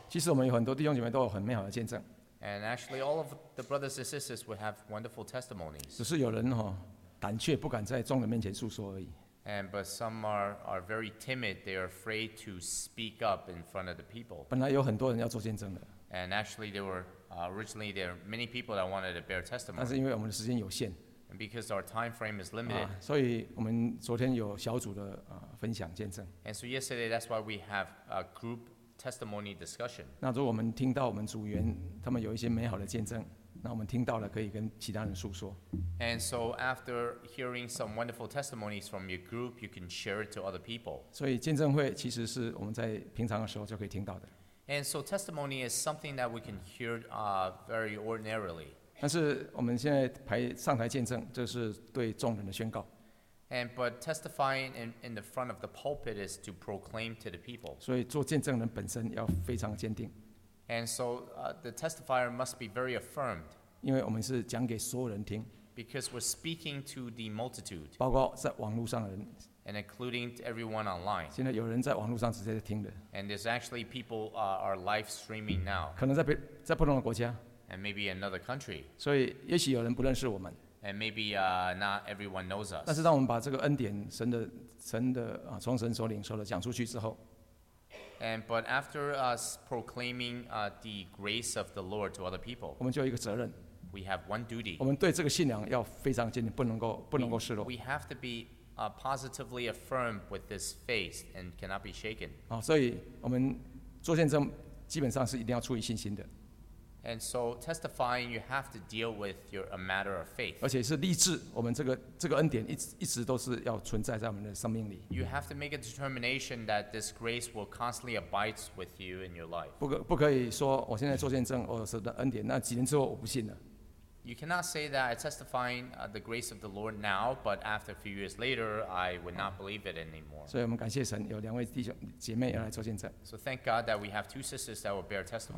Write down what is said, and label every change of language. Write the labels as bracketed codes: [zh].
[zh] 其实我们有很多弟兄姐妹都有很美好的见证。 [en] And actually, all of the brothers and sisters will have wonderful testimonies. [zh] 只是有人哈，胆怯不敢在众人面前述说而已。 [en] And but some are very timid. They are afraid to speak up in front of the people. [zh] 本来有很多人要做见证的。 [en] And actually, originally there are many people that wanted to bear testimony. [zh] 但是因为我们的时间有限。 [en] And because our time frame is limited. [zh] 所以我们昨天有小组的分享见证。 [en] And so yesterday, that's why we have a group testimony discussion. [zh] 那如果我们听到我们组员他们有一些美好的见证。那我们听到了，可以跟其他人述说。 [en] And so after hearing some wonderful testimonies from your group, you can share it to other people. [zh] 所以见证会其实是我们在平常的时候就可以听到的。 [en] And so testimony is something that we can hear very ordinarily. [zh] 但是我们现在上台见证，这是对众人的宣告。 [en] And but testifying in the front of the pulpit is to proclaim to the people. [zh] 所以做见证人本身要非常坚定。 [en] And so the testifier must be very affirmed. [zh] 因为我们是讲给所有人听。 [en] Because we're speaking to the multitude. [zh] 包括在网络上的人。 [en] And including everyone online. [zh] 现在有人在网络上直接在听的。 [en] And there's actually people are live streaming now. [zh] 可能在不同的国家。 [en] And maybe another country. [zh] 所以也许有人不认识我们。 [en] And maybe not everyone knows us. [zh] 但是当我们把这个恩典神的从神所领受的讲出去之后。 [en] And but after us proclaiming the grace of the Lord to other people, [zh] 我们就有一个责任。 [en] We have one duty. [zh] 我们对这个信仰要非常坚定，不能够失落。 [en] We have to be positively affirmed with this faith and cannot be shaken. [zh] 所以我们做见证基本上是一定要出于信心的。 [en] And so testifying, you have to deal with a matter of faith. [zh] 而且是立志，我们这个恩典一直都是要存在在我们的生命里。 [en] You have to make a determination that this grace will constantly abide with you in your life. [zh] 不可以说我现在做见证，是的恩典，那几年之后我不信了。 [en] You cannot say that I testifying the grace of the Lord now, but after a few years later, I would not believe it anymore. [zh] 所以我们感谢神，有两位弟兄姐妹要来做见证。 [en] So thank God that we have two sisters that will bear testimony.